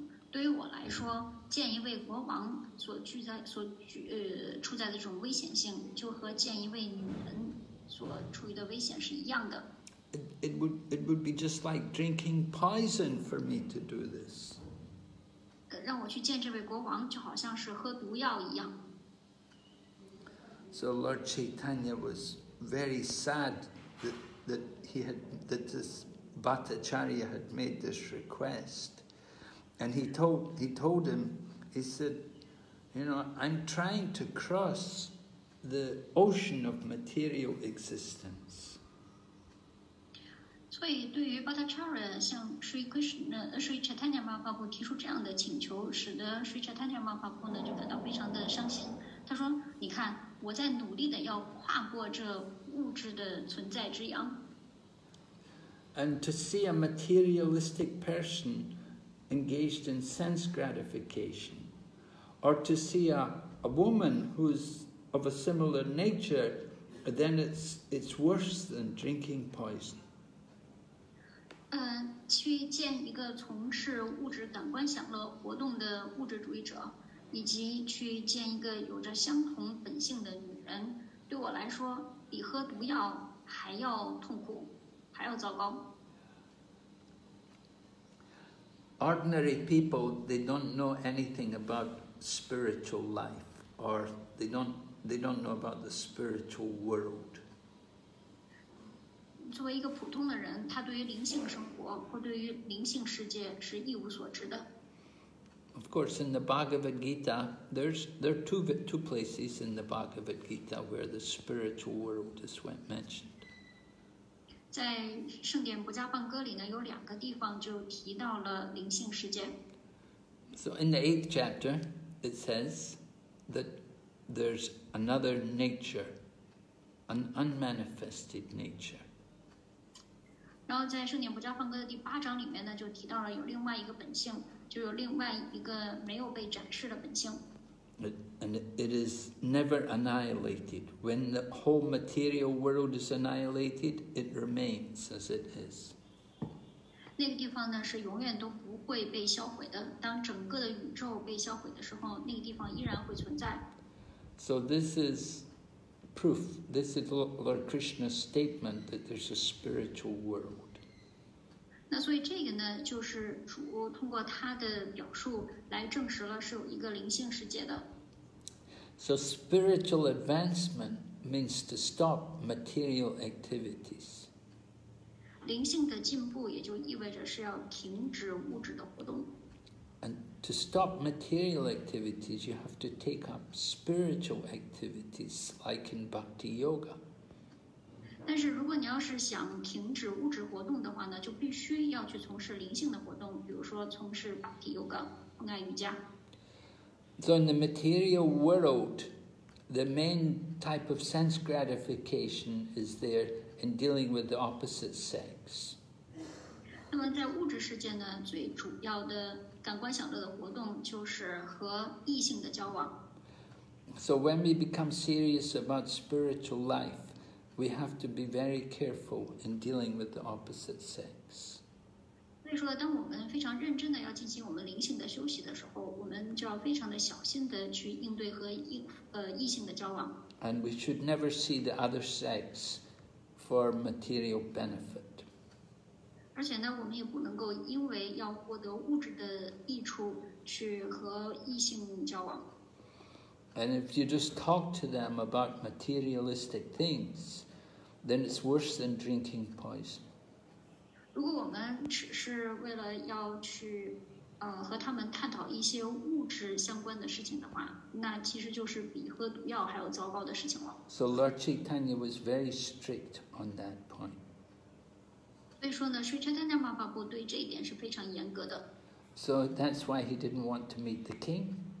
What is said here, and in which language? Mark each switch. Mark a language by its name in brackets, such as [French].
[Chinese] 对于我来说，见一位国王所处在的这种危险性，就和见一位女人所处于的危险是一样的。 [English] It would be just like drinking poison for me to do this. [Chinese] 让我去见这位国王，就好像是喝毒药一样。 [English] So Lord Chaitanya was very sad that this Bhattacharya had made this request. And he told him, he said, you know, I'm trying to cross the ocean of material existence. [Chinese] 所以对于 Bhattacharya 向 Sri Krishna, Sri Chaitanya Mahaprabhu 提出这样的请求，使得 Sri Chaitanya Mahaprabhu 呢就感到非常的伤心。他说，你看，我在努力的要跨过这物质的存在之洋。 [English] And to see a materialistic person engaged in sense gratification, or to see a woman who's of a similar nature, then it's worse than drinking poison. [Chinese] 去见一个从事物质感官享乐活动的物质主义者，以及去见一个有着相同本性的女人，对我来说比喝毒药还要痛苦，还要糟糕。 [English] Ordinary people, they don't know anything about spiritual life, or they don't know about the spiritual world. [Chinese] 作为一个普通的人，他对于灵性生活或对于灵性世界是一无所知的。 [English] Of course, in the Bhagavad Gita, there are two places in the Bhagavad Gita where the spiritual world is mentioned. [Chinese] 在圣典不加梵歌里呢，有两个地方就提到了灵性世界。 [English] So in the eighth chapter, it says that there's another nature, an unmanifested nature. [Chinese] 然后在圣典不加梵歌的第八章里面呢，就提到了有另外一个本性，就有另外一个没有被展示的本性。 [English] And it is never annihilated. When the whole material world is annihilated, it remains as it is. [Chinese] 那个地方呢是永远都不会被销毁的。当整个的宇宙被销毁的时候，那个地方依然会存在。 [English] So this is proof. This is Lord Krishna's statement that there's a spiritual world. [Chinese] 那所以这个呢，就是主通过他的表述来证实了是有一个灵性世界的。 [English] So spiritual advancement means to stop material activities. [Chinese] 灵性的进步也就意味着是要停止物质的活动。 [English] And to stop material activities, you have to take up spiritual activities, like in Bhakti Yoga. [Chinese] 但是如果你要是想停止物质活动的话呢，就必须要去从事灵性的活动，比如说从事 Bhakti Yoga, 风爱瑜伽。 [English] So in the material world, the main type of sense gratification is there in dealing with the opposite sex. [Chinese] 那么在物质世界呢，最主要的感官享乐的活动就是和异性的交往。 [English] So when we become serious about spiritual life, we have to be very careful in dealing with the opposite sex. [Chinese] 所以说，当我们非常认真的要进行我们灵性的休息的时候，我们就要非常的小心的去应对和异性的交往。 [English] And we should never see the other sex for material benefit. [Chinese] 而且呢，我们也不能够因为要获得物质的益处去和异性交往。 [English] And if you just talk to them about materialistic things, then it's worse than drinking poison. [Chinese] 如果我们只是为了要去和他们探讨一些物质相关的事情的话，那其实就是比喝毒药还要糟糕的事情了。 [English] So Lord Chaitanya was very strict on that point. [Chinese] 所以说呢，Sri Chaitanya Mahaprabhu对这一点是非常严格的。 [English] So that's why he didn't want to meet the king.